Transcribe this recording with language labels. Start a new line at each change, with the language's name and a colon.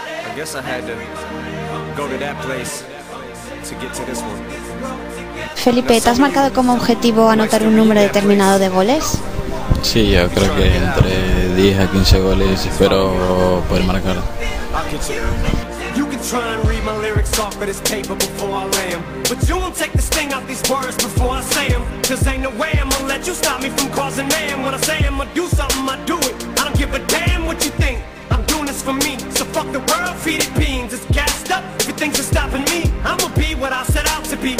English: I guess I had to go to that place to get to this one.
Spanish: Felipe, ¿te has marcado como objetivo anotar un número determinado de goles? Sí, yo creo que entre 10 a 15 goles espero poder marcar.
English: You can try and read my lyrics off of this paper before I lay them, but you won't take this thing out these words before I say them, cause ain't no way I'm gonna let you stop me from causing mayhem. When I say I'm gonna do something, I do it. I don't give a damn what you think. I'm doing this for me, so fuck the world, feed it beans. It's gassed up, if things are stopping me, I'ma be what I set out to be.